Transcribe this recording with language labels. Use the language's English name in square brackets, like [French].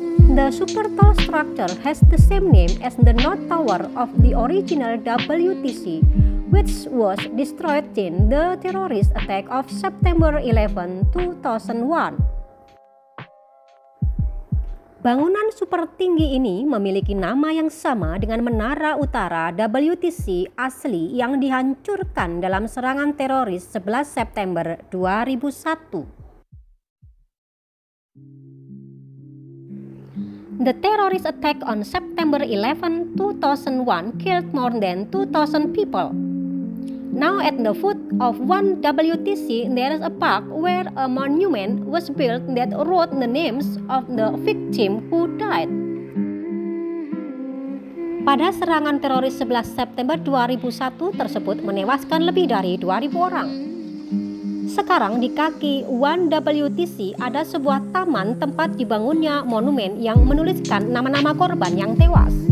[English] The super tall structure has the same name as the North Tower of the original WTC, which was destroyed in the terrorist attack of September 11, 2001. [Indonesian] Bangunan super tinggi ini memiliki nama yang sama dengan Menara Utara WTC asli yang dihancurkan dalam serangan teroris 11 September 2001. [English] The terrorist attack on September 11, 2001 killed more than 2,000 people. Now at the foot of one WTC, there is a park where a monument was built that wrote the names of the victim who died. [Indonesian] Pada serangan teroris 11 September 2001 tersebut menewaskan lebih dari 2,000 orang. Sekarang di kaki one WTC ada sebuah taman tempat dibangunnya monumen yang menuliskan nama-nama korban yang tewas.